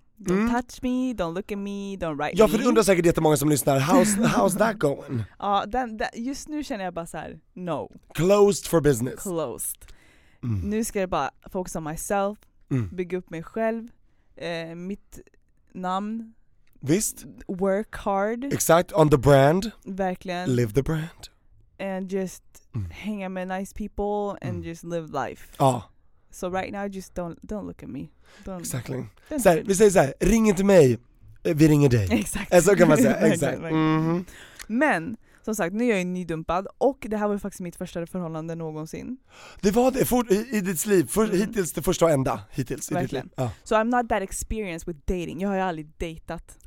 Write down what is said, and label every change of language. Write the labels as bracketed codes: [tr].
[en] Don't touch me, don't look at me, don't write me. [sv] Ja, för du undrar säkert jättemånga som lyssnar. [en] How's that going? [sv] Ja, just nu känner jag bara så här, no. [en] Closed for business. [sv] Closed. Mm. Nu ska jag bara [en] focus on myself. [sv] Mm. Bygga upp mig själv. Mitt namn. Visst. [en] Work hard. Exakt, on the brand. [sv] Verkligen. [en] Live the brand. And just hang out with nice people and just live life. [sv] Ja. Ah. [en] So right now just don't look at me. [sv] Exakt. Vi säger så här, ring inte mig, vi ringer dig. Exakt. Så kan man säga, exakt. Mm-hmm. Men som sagt, nu är jag nydumpad och det här var faktiskt mitt första förhållande någonsin. Det var det, i ditt liv, hittills det första och enda, hittills. Verkligen. Ja. [en] So I'm not that experienced with dating, [sv] jag har ju aldrig dejtat.